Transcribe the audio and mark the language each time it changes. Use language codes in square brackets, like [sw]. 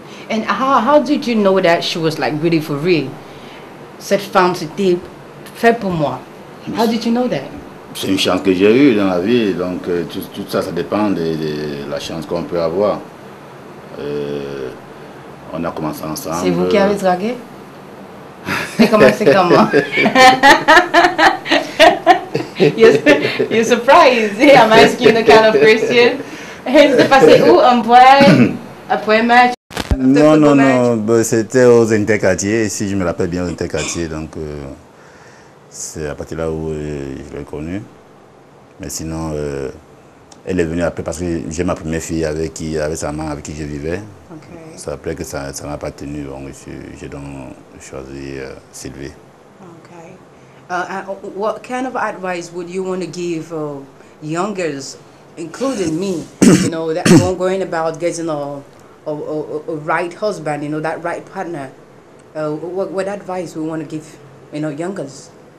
[en] And how did you know that she was like really for real? [fr] Cette femme, c'était fait pour moi. [en] How did you know that? [fr] C'est une chance que j'ai eue dans la vie. Donc tout ça, ça dépend de la chance qu'on peut avoir. On a commencé ensemble. C'est vous qui avez dragué? C'est commencé comment? [en] You're surprised. I'm asking the kind of question. [fr] C'est passé où? Un point match? Non, bah, c'était aux Intercartiers, si je me rappelle bien aux Intercartiers, donc c'est à partir de là où je l'ai connue. Mais sinon, elle est venue après parce que j'ai ma première fille avec sa mère avec qui je vivais. Okay. C'est après que ça n'a pas tenu, donc j'ai donc choisi Sylvie. Okay. [en] What kind of advice would you want to give young girls, including me, you know, that are going about getting all a right husband, you know, that right partner. What advice we want to give, you know, youngers?